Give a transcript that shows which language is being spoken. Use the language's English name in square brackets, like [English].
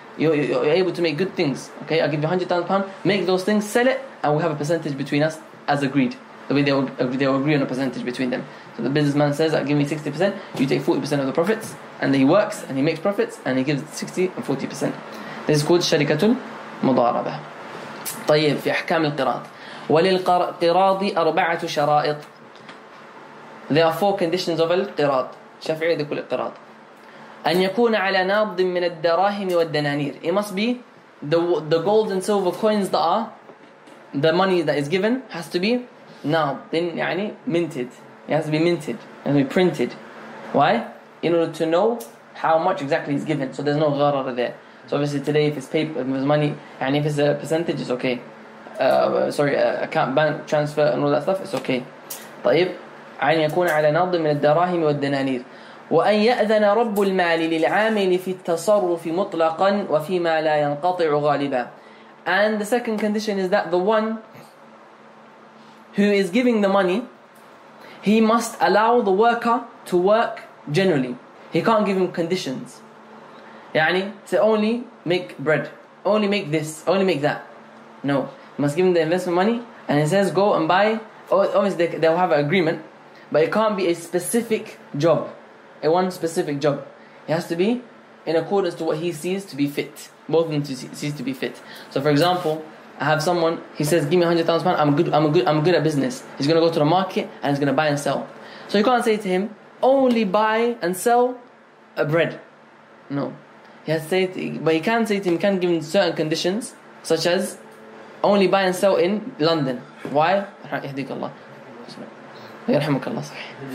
[English] You're able to make good things. Okay, I'll give you £100,000. Make those things, sell it, and we have a percentage between us as agreed. The way they will agree on a percentage between them. So the businessman says, "Give me 60%. You take 40% of the profits." And then he works and he makes profits and he gives 60% and 40%. This is called sharikat al-mudaraba. [Arabic] طيب في أحكام القراض وللقراض أربعة شرائط. [English] There are four conditions of al-qirad. Shafi'i, they call it qirad. [Arabic] أن يكون على نابض من الدراهم والدنانير. [English] It must be the gold and silver coins that are, the money that is given has to be نابض, يعني minted. It has to be minted. It has to be printed. Why? In order to know how much exactly is given. So there's no gharar there. So obviously today, if it's paper, if it's money, يعني if it's a percentage, it's okay. Account, bank transfer and all that stuff, it's okay. [Arabic] طيب. أن يكون على نبض من الدراهم والدنانير وأن يأذن رب المال للعامل في التصرف مطلقا وفيما لا ينقطع غالبا. [English] And the second condition is that the one who is giving the money, he must allow the worker to work generally. He can't give him conditions. يعني to only make bread, only make this, only make that. No, he must give him the investment money and he says go and buy. Obviously they'll have an agreement. But it can't be a specific job, a one specific job. It has to be in accordance to what he sees to be fit. Both of them sees to be fit. So, for example, I have someone. He says, "Give me £100,000. I'm good at business." He's gonna go to the market and he's gonna buy and sell. So you can't say to him, "Only buy and sell a bread." No, he has to say. But he can say to him, "Can give him certain conditions, such as only buy and sell in London." Why? [Arabic] يهديك الله. يرحمك الله صحيح.